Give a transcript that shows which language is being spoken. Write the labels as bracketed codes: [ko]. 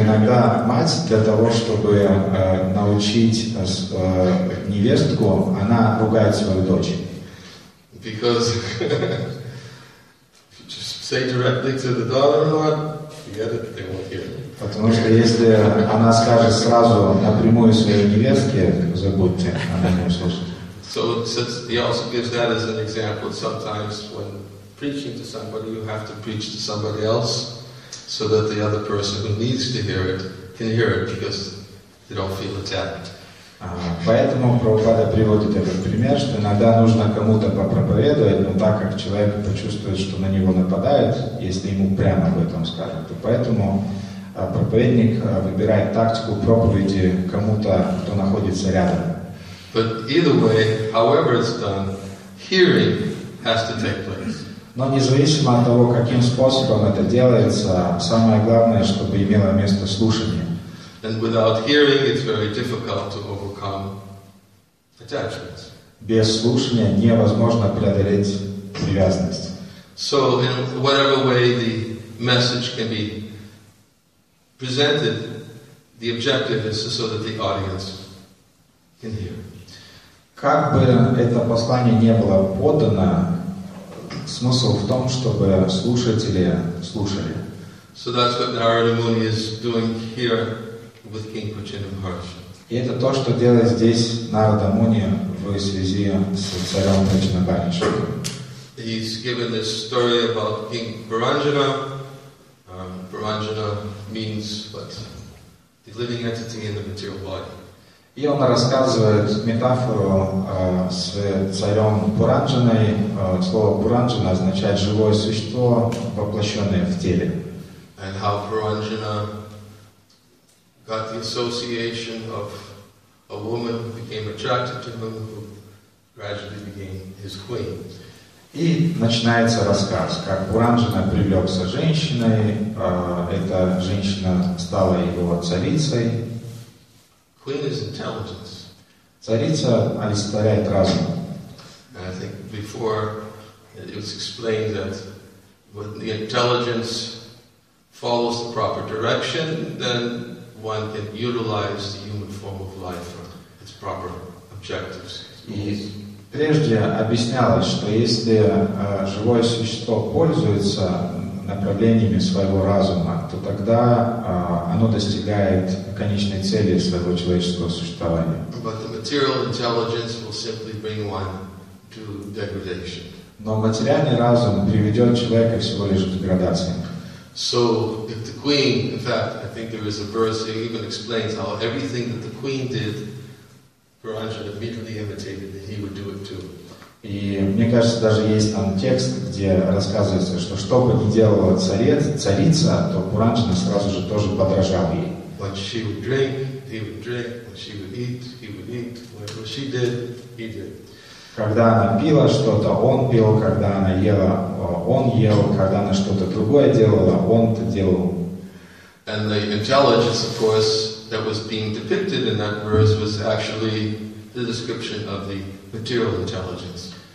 [ru] иногда мать для того, чтобы научить невестку, она ругает свою дочь. [en] Because if you just say directly to the daughter-in-law, forget it, they won't hear. [ru] Потому что если она скажет сразу напрямую своей невестке, забудьте, она не услышит. [en] So since he also gives that as an example, sometimes when preaching to somebody, you have to preach to somebody else so that the other person who needs to hear it can hear it because they don't feel attacked. [ru] Поэтому Прабхупада приводит этот пример, что иногда нужно кому-то попроповедовать, но так как человек почувствует, что на него нападают, если ему прямо об этом скажут. То поэтому проповедник выбирает тактику проповеди кому-то, кто находится рядом. [en] But either way, however it's done, hearing has to take place. [ru] Но независимо от того, каким способом это делается, самое главное, чтобы имело место слушание. [en] And without hearing, it's very difficult to overcome attachments. [ru] Без слушания невозможно преодолеть привязанность. [en] So, in whatever way the message can be presented, the objective is so that the audience can hear. [ru] Как бы это послание не было подано, смысл в том, чтобы слушатели слушали. [en] So that's what Narada Muni is doing here. With King Pachin of Harsha. [ru] И это то, что делает здесь Нарада Муни в связи с царем Пачинабхарджа. [en] He's given this story about King Paranjana. Paranjana means what? The living entity in the material body. [ru] И он рассказывает метафору с царем Паранджаной. Слово Паранджана означает живое существо, воплощенное в теле. [en] And how Paranjana got the association of a woman who became attracted to him, who gradually became his queen. [ru] И начинается рассказ, как Паранджана привлекся женщиной, эта женщина стала его царицей. [en] Queen is intelligence. [ru] Царица олицетворяет разум. [en] And I think before it was explained that when the intelligence follows the proper direction, then one can utilize the human form of life for its proper objectives. Yes. [ru] Прежде объяснялось, что если живое существо пользуется направлениями своего разума, то тогда оно достигает конечной цели своего человеческого существования. [en] But the material intelligence will simply bring one to degradation. [ru] Но материальный разум приведет человека всего лишь к деградации. [en] So, if the queen, in fact, I think there is a verse that even explains how everything that the queen did, Paranjana immediately imitated, and he would do it too. [ru] И мне кажется, даже есть там текст, где рассказывается, что что бы ни делала царица, то Паранджана сразу же тоже подражал ей. [en] What she would drink, he would drink. What she would eat, he would eat. Whatever she did, he did. [ru] Когда она пила что-то, он пил, когда она ела, он ел, когда она что-то другое делала, он это делал. [en] And the intelligence, of course, that was being depicted in that verse was actually the description of the material intelligence.